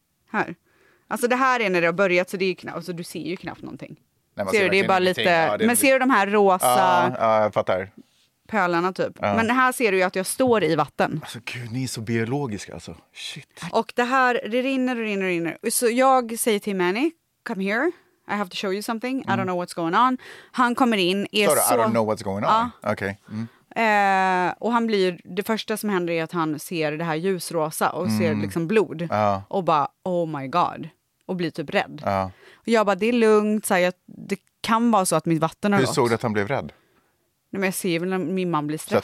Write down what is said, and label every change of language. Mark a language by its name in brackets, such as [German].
[Swedish] Här. Alltså det här är när det har börjat, så det är ju knappt, alltså du ser ju knappt någonting. Nej, ser du, det är bara lite, ja, är... men ser du de här rosa pölarna typ? Ja. Men här ser du ju att jag står i vatten. Alltså gud, ni är så biologiska alltså. Shit. Och det här, det rinner och rinner och rinner. Så jag säger till Manny, [English] come here, I have to show you something, I don't know what's going on. [Swedish] Han kommer in, är [English] sorry, [Swedish] så... [English] I don't know what's going on? [Swedish] Ja. Okej. Okay. Mm. Och han blir, det första som händer är att han ser det här ljusrosa och ser liksom blod. Och bara, [English] oh my god. [Swedish] Och blir typ rädd. Och jag bara, det är lugnt. Så här, det kan vara så att mitt vatten har gått. Hur såg du att han blev rädd? Nej, men jag ser väl när min man blir stressad.